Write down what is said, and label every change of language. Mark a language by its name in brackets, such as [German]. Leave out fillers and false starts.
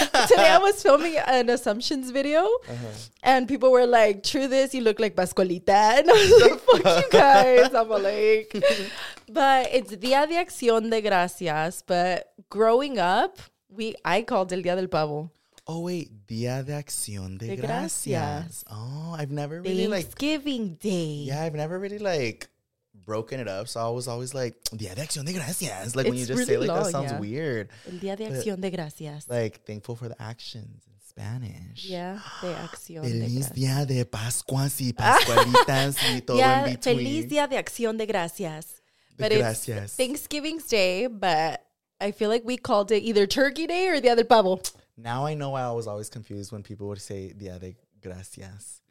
[English] Today I was filming an assumptions video, and people were like, true this, you look like Pascualita. And I was like, fuck you guys. I'm like, but it's Día de Acción de Gracias. But growing up, I called El Día del Pavo. Oh, wait. [Spanish] Día de Acción de Gracias. [English] Oh, I've never really Thanksgiving Day. Yeah, I've never really broken it up. So I was always like, Día de Acción de Gracias. Like, it's when you just really say like long, that sounds weird. [Spanish] El Día de Acción de Gracias. [English] Like, thankful for the actions in Spanish. [Spanish] Yeah, de Acción feliz de Gracias. Feliz Día de Pascuas y Pascualitas y todo [English] yeah, en between. [Spanish] Feliz Día de Acción de Gracias. But de gracias. [English] It's Thanksgiving's Day, but I feel like we called it either Turkey Day or Día del Pavo. Now I know why I was always confused when people would say Día de Gracias.